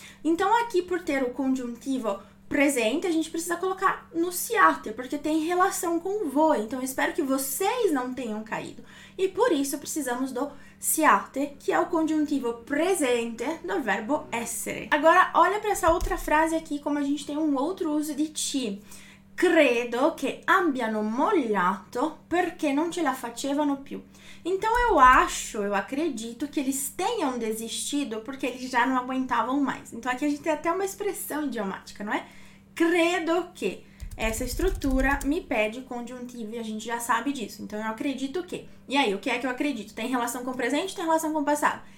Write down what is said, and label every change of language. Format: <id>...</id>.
<pt>Então, aqui, por ter o conjuntivo presente, a gente precisa colocar no siate, porque tem relação com voi. Então, eu espero que vocês não tenham caído. E por isso precisamos do siate, que é o conjuntivo presente do verbo essere. Agora, olha para essa outra frase aqui, como a gente tem um outro uso de ti.</pt> <it>Credo che abbiano mollato perché non ce la facevano più.</it> <pt>Então, eu acho, eu acredito que eles tenham desistido porque eles já não aguentavam mais. Então, aqui a gente tem até uma expressão idiomática, não é? Credo che. Essa estrutura me pede conjuntivo e a gente já sabe disso. Então, eu acredito que. E aí, o que é que eu acredito? Tem relação com o presente, tem relação com o passado?</pt>